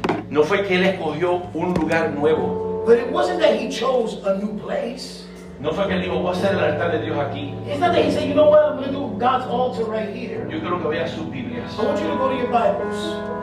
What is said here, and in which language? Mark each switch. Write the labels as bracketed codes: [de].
[es] No fue que él escogió un lugar nuevo. [en] But it wasn't that he chose a new place. [es] No fue que él dijo, voy a hacer el altar de Dios aquí. [en] It's not that he said, you know what, I'm going to do God's altar right here. [es] Yo quiero que vea sus Biblias. [en] I want you to go to your Bibles.